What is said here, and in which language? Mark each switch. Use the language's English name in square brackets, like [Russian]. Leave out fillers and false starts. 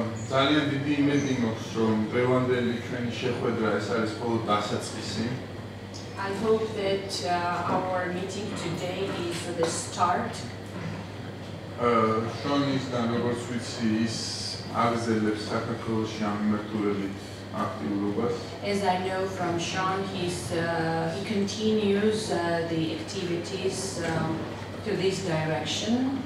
[Georgian] ძალიან დიდი იმედი მაქვს რომ დღევანდელი ჩვენი შეხვედრა ეს არის მხოლოდ დასაწყისი. [English] I hope that our meeting today is the start. [Georgian] შონისთან როგორც ვიცი ის აგრძელებს საქართველოში ამ მიმართულებით აქტიურობას. [English] As I know from Sean he continues the activities to this direction.